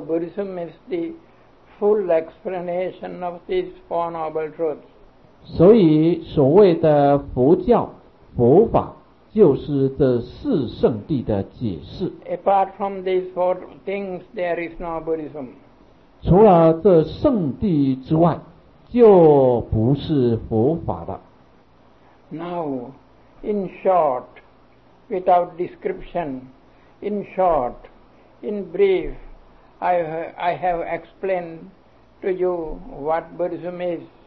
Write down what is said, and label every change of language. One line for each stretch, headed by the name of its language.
English: Buddhism is the full explanation of these Four Noble Truths.
Chinese: 所以所谓的佛教、佛法就是这四圣地的解释。
English: Apart from these four things, there is no Buddhism.
Chinese: 除了这圣地之外，就不是佛法了。
English: Now, in short, without description, in short, in brief, I have explained to you what Buddhism is.